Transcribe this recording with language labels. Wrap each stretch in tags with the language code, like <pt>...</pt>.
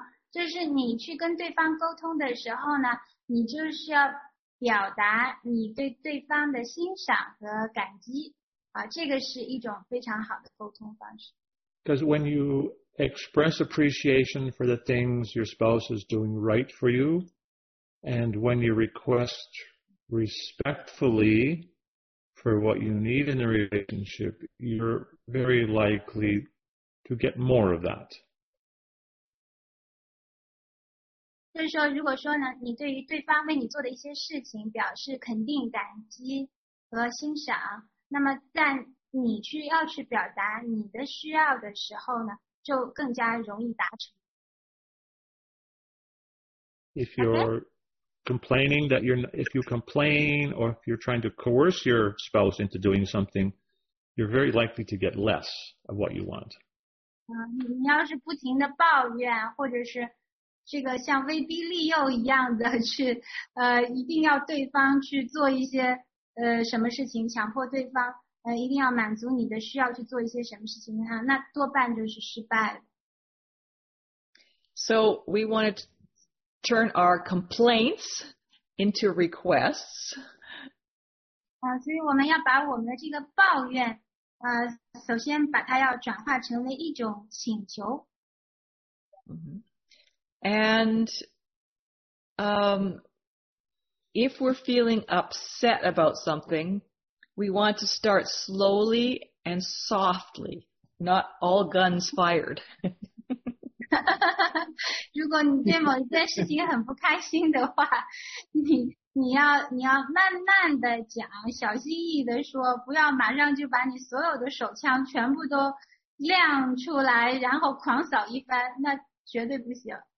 <zh>就是你去跟对方沟通的时候呢，你就是要表达你对对方的欣赏和感激。这个是一种非常好的沟通方式。</zh> <en>Because when you express appreciation for the things your spouse is doing right for you, And when you request respectfully for what you need in a relationship, you're very likely to get more of that.</en> <zh>就是说，如果说呢，你对于对方为你做的一些事情表示肯定、感激和欣赏，那么在你去要去表达你的需要的时候呢，就更加容易达成。</zh> <en>If you're complaining that you're, if you complain or if you're trying to coerce your spouse into doing something, you're very likely to get less of what you want.</en> <zh>你要是不停的抱怨，或者是这个像威逼利诱一样的去一定要对方去做一些什么事情，强迫对方一定要满足你的需要去做一些什么事情哈，那多半就是失败的。</zh> <en>So we want to turn our complaints into requests.</en> <zh>所以我们要把我们的这个抱怨首先把它要转化成为一种请求。</zh> <en>And if we're feeling upset about something, we want to start slowly and softly, not all guns fired.</en> <zh>如果你对某一件事情很不开心的话，你要慢慢的讲，小心翼翼的说，不要马上就把你所有的手枪全部都亮出来，然后狂扫一番，那绝对不行。</zh>